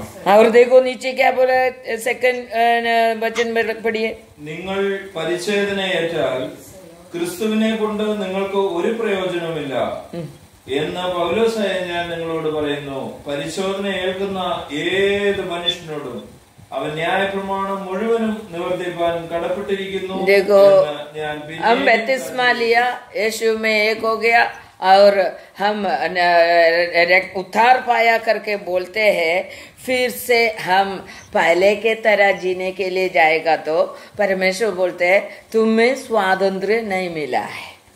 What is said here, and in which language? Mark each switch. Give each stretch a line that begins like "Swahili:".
Hindi: और देखो नीचे क्या बोला, सेकंड वचन में पढ़िए.
Malayalam: നിങ്ങൾ പരിച്ഛേദനെ ഏറ്റാൽ ക്രിസ്തുവിനെ കൊണ്ട് നിങ്ങൾക്ക് ഒരു പ്രയോജനവുമില്ല എന്ന് പൗലോസ് ഞാൻ നിങ്ങളോട് പറയുന്നു. പരിച്ഛേദന ഏൽക്കുന്ന ഏത് മനുഷ്യനോടും
Hindi: उद्धार पाया करके बोलते हैं, फिर से हम पहले के तरह जीने के लिए जाएगा तो परमेश्वर बोलते हैं तुम्हें स्वातंत्र्य नहीं मिला है.